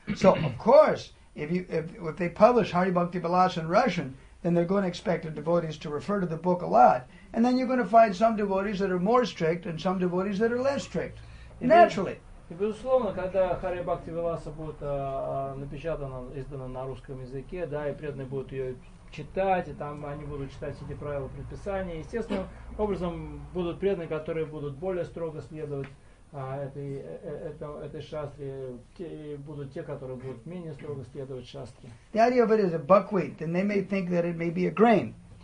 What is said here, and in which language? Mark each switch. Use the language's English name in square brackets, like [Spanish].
[English] So, of course, if they publish Hari Bhakti Vilas in Russian, then they're going to expect the devotees to refer to the book a lot. And then you're going to find some devotees that are more strict and some devotees that are less strict. Naturally. [Russian] И безусловно, когда Hari Bhakti Vilasa будет напечатана, издана на русском языке, да, и преданные будут ее читать, и там они будут читать все эти правила предписания, естественным образом будут преданные, которые будут более строго следовать этой шастре, и будут те, которые будут менее строго следовать шастре. [English] The idea of it is a buckwheat, and they may think that it may be a grain.